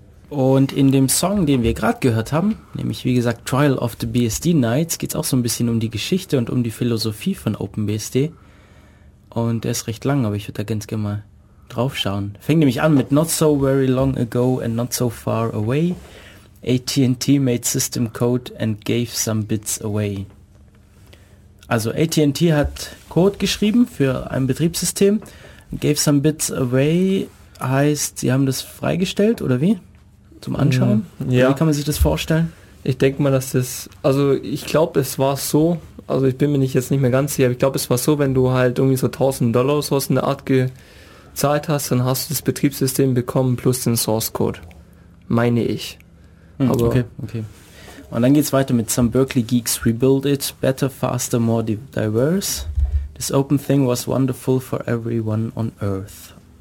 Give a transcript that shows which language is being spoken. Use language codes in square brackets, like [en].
[de] Und in dem Song, den wir gerade gehört haben, nämlich wie gesagt Trial of the BSD Knights, geht es auch so ein bisschen um die Geschichte und um die Philosophie von OpenBSD. Und der ist recht lang, aber ich würde da ganz gerne mal drauf schauen. Fängt nämlich an mit [en] Not so very long ago and not so far away. AT&T made system code and gave some bits away. [de] Also AT&T hat Code geschrieben für ein Betriebssystem. [en] Gave some bits away [de] heißt, sie haben das freigestellt oder wie? Zum Anschauen? Ja. Wie kann man sich das vorstellen? Ich denke mal, dass das, also ich glaube, es war so, also ich bin mir nicht jetzt nicht mehr ganz sicher, aber ich glaube, es war so, wenn du halt irgendwie so $1000 oder sowas in der Art gezahlt hast, dann hast du das Betriebssystem bekommen plus den Source Code. Meine ich. Aber okay. Und dann geht's weiter mit [en] Some Berkeley Geeks Rebuild It, Better, Faster, More Diverse. This open thing was wonderful for everyone on Earth.